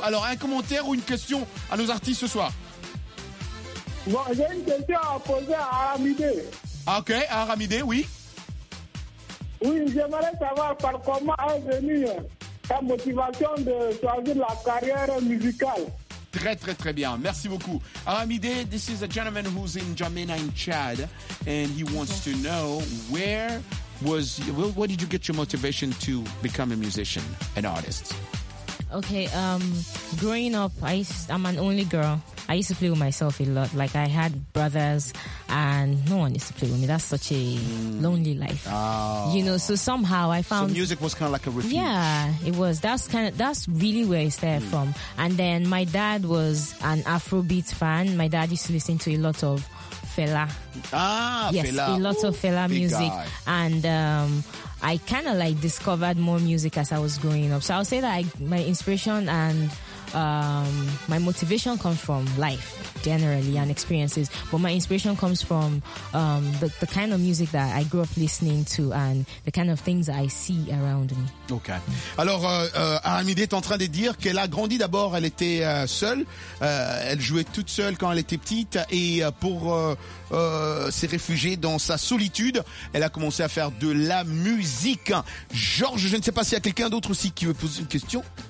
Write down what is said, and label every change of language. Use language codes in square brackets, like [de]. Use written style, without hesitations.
[fr] Alors, un commentaire ou une question à nos artistes ce soir? Bon, j'ai une question à poser à Aramidé. Ah, ok, à Aramidé, oui. Oui, j'aimerais savoir par comment est venue ta motivation de choisir la carrière musicale. Très, très, très bien. Merci beaucoup. [en] Aramide, this is a gentleman who's in Jamena in Chad, and he wants to know where did you get your motivation to become a musician, an artist? Okay, growing up, I'm an only girl. I used to play with myself a lot. Like, I had brothers, and no one used to play with me. That's such a lonely life. Oh. You know, so somehow I found... So music was kind of like a refuge. Yeah, it was. That's really where it started from. And then my dad was an Afrobeat fan. My dad used to listen to a lot of Fela. Ah, yes, Fela. Yes, a lot of Fela music. Guy. And I kind of, like, discovered more music as I was growing up. So I'll say that my inspiration and... my motivation comes from life generally and experiences, but my inspiration comes from the kind of music that I grew up listening to and the kind of things I see around me. Okay. [fr] Alors, Aramide est en train de dire qu'elle a grandi d'abord, elle était seule, elle jouait toute seule quand elle était petite et pour s'est réfugiée dans sa solitude, elle a commencé à faire de la musique. Georges, je ne sais pas s'il y a quelqu'un d'autre aussi qui veut poser une question.